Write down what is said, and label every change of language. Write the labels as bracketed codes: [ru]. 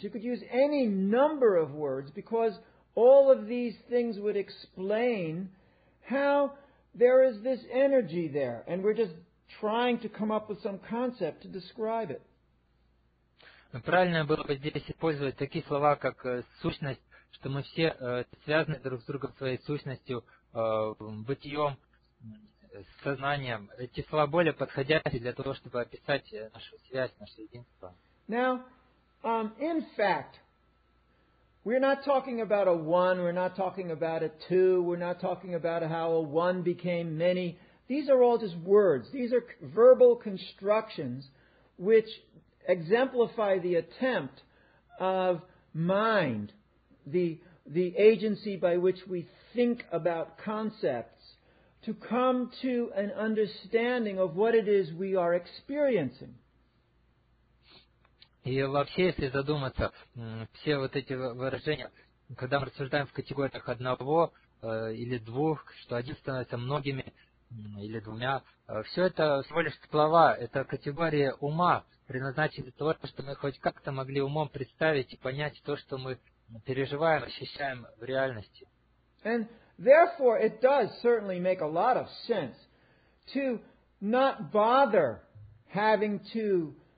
[en] You could use any number of words because all of these things would explain how there is this energy there, and we're just trying to come up with some concept to describe it. [ru] Правильно было бы здесь использовать такие слова, как сущность, что мы все связаны друг с другом своей сущностью, бытием, сознанием. Эти слова более подходящие для того, чтобы описать нашу связь, наше единство. [en] Now, in fact, we're not talking about a one, we're not talking about a two, we're not talking about how a one became many. These are all just words. These are verbal constructions which exemplify the attempt of mind, the agency by which we think about concepts, to come to an understanding of what it is we are experiencing. [ru] И вообще, если задуматься, все вот эти выражения, когда мы рассуждаем в категориях одного или двух, что один становится многими или двумя, все это всего лишь слова, это категория ума, предназначена для того, чтобы мы хоть как-то могли умом представить и понять то, что мы переживаем, ощущаем в реальности. [en] And therefore it does certainly make a lot of sense to not bother having to